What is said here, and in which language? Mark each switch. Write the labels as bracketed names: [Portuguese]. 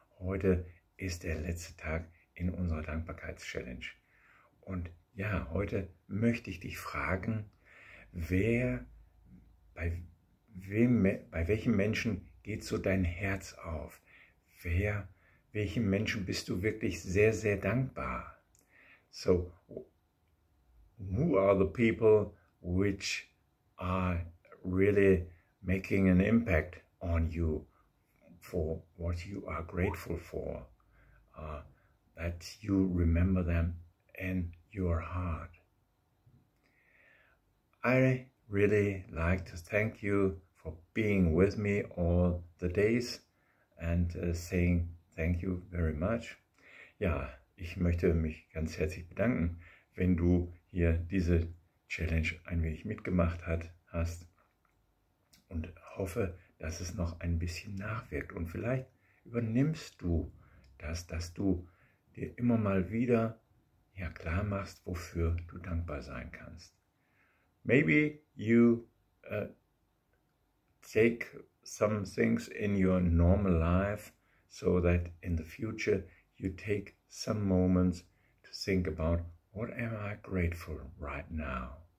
[German] Heute ist der letzte Tag in unserer Dankbarkeits-Challenge. Und ja, heute möchte ich dich fragen, bei welchem Menschen geht so dein Herz auf? Welchem Menschen bist du wirklich sehr, sehr dankbar? [English] So, who are the people which are really making an impact on you for what you are grateful for, that you remember them in your heart? I really like to thank you for being with me all the days and saying thank you very much. [German] Ja, ich möchte mich ganz herzlich bedanken, wenn du hier diese Challenge ein wenig mitgemacht hast und hoffe, dass es noch ein bisschen nachwirkt. Und vielleicht übernimmst du das, dass du dir immer mal wieder ja, klar machst, wofür du dankbar sein kannst. [English] Maybe you take some things in your normal life, so that in the future you take some moments to think about, what am I grateful right now?